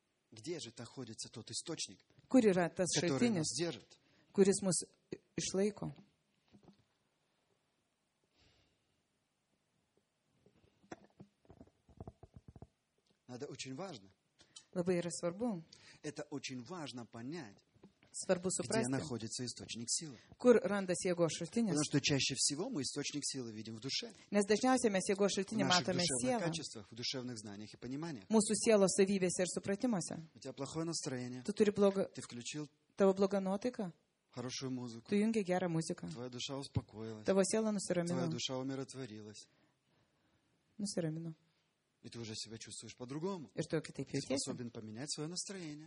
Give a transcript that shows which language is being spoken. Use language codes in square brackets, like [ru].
[ru] Где же находится тот источник, [lt] kur yra tas шайтинис, [ru] который нас держит? [lt] Kuris mus išlaiko? [ru] Надо очень важно. [lt] Labai yra svarbu. [ru] Это очень важно понять. [lt] Svarbu suprasti, [ru] где находится источник силы. [lt] Kur randas jėgos šaltinis? [ru] Потому что чаще всего мы источник силы видим в душе. [lt] Nes dažniausiai mes jėgos šaltinį matome sieloje. [ru] В наших качествах, в душевных знаниях и пониманиях. [lt] Mūsų sielos savybėse ir supratimuose. [ru] У тебя плохое настроение. [lt] Tu turi blogą. [ru] Ты включил. [lt] Tavo bloga nuotaika. [ru] Хорошую музыку. [lt] Tu jungi gerą muziką. [ru] Твоя душа успокоилась. [lt] Tavo siela nusiramino. [ru] Твоя душа умиротворилась. [lt] Nusiramino. [ru] И ты уже себя чувствуешь по-другому. [lt] Ir tu kitaip jautiesi. [ru] Ты способен поменять свое настроение.